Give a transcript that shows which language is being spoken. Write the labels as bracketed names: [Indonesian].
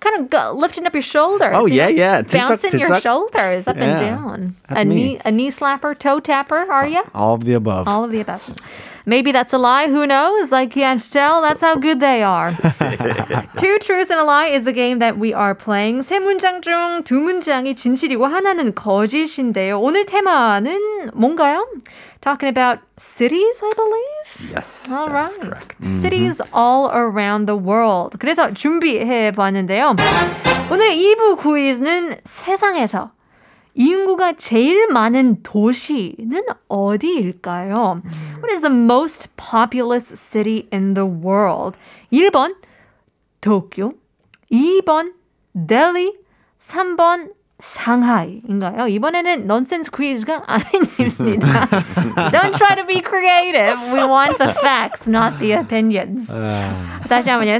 [English] Kind of lifting up your shoulders. Oh, yeah, yeah. Bouncing 들썩, 들썩. Your shoulders up yeah, and down. That's a me. A knee slapper, toe tapper, are you? All of the above. All of the above. Maybe that's a lie. Who knows? I can't tell. That's how good they are. Two truths and a lie is the game that we are playing. [Korean] 세 문장 중 두 문장이 진실이고 하나는 거짓인데요. 오늘 테마는 뭔가요? [English] Talking about cities, I believe? Yes, all that right. is correct. Cities mm-hmm. all around the world. [Korean] 그래서 준비해봤는데요. 오늘의 2부 퀴즈는 세상에서 인구가 제일 많은 도시는 어디일까요? [English] What is the most populous city in the world? [Korean] 1번 도쿄, 2번 델리, 3번 상하이인가요? 이번에는 nonsense quiz가 아닙니다. [English] Don't try to be creative. We want the facts, not the opinions. [Korean] 다시 한번요.